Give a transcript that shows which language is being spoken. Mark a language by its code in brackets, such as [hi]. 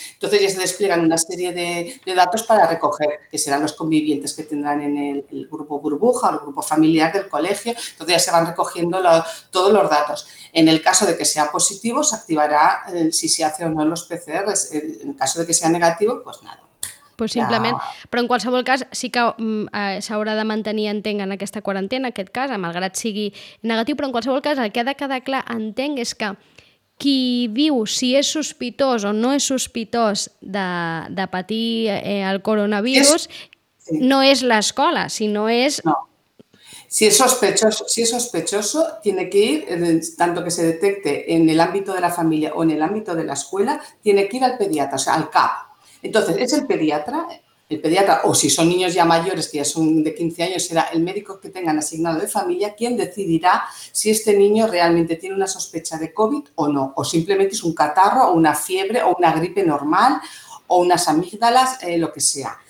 [es] Entonces ya se despliegan una serie de datos para recoger, que serán los convivientes que tendrán en el grupo burbuja o el grupo familiar del colegio. Entonces ya se van recogiendo todos los datos. En el caso de que sea positivo, se activará si se hace o no los PCR. En el caso de que sea negativo, pues nada. [ca] Pues simplement, però en qualsevol cas sí que s'haurà de mantenir, entenc, en aquesta quarantena, en aquest cas, malgrat sigui negatiu, però en qualsevol cas el que ha de quedar clar, entenc, és que qui diu si és sospitós o no és sospitós de patir el coronavirus no és l'escola, sinó és... [es] Si es sospechoso, tiene que ir, tanto que se detecte en el ámbito de la familia o en el ámbito de la escuela, tiene que ir al pediatra, o sea, al CAP. Entonces, es el pediatra, o si son niños ya mayores, que ya son de 15 años, será el médico que tengan asignado de familia quien decidirá si este niño realmente tiene una sospecha de COVID o no, o simplemente es un catarro, o una fiebre, o una gripe normal, o unas amígdalas, lo que sea.